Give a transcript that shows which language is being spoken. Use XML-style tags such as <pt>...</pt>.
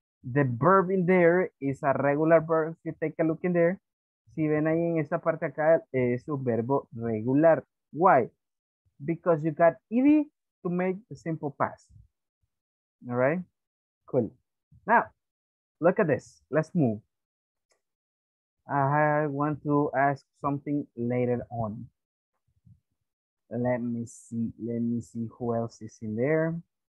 <en>The verb in there is a regular verb. If you take a look in there.</en> <es>Si ven ahí en esta parte acá, es un verbo regular.</es> <en>Why? Because you got ed to make the simple past. All right? Cool. Now, look at this. Let's move. I want to ask something later on. Let me see who else is in there.</en>